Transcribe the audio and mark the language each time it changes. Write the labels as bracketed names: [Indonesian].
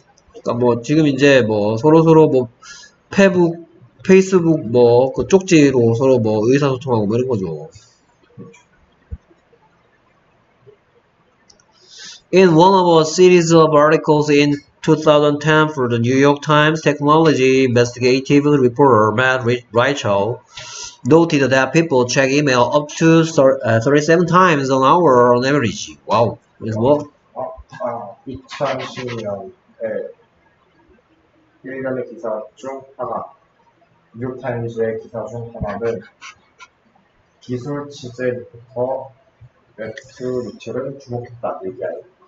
[Korean] 그러니까 뭐 지금 이제 뭐 서로 뭐 페이스북 뭐그 쪽지로 서로 뭐 의사소통하고 이런 거죠. [English] In one of a series of articles in 2010 for the New York Times Technology Investigative Reporter Matt Reichow noted that people check email up to 37 times an hour on average. [Korean] 와우, 그래서 뭐? 2010년에 1년의 기사 중 하나, 뉴욕타임즈의 기사 중 하나는 기술 취재부터 매튜 리처를 주목했다 얘기해요.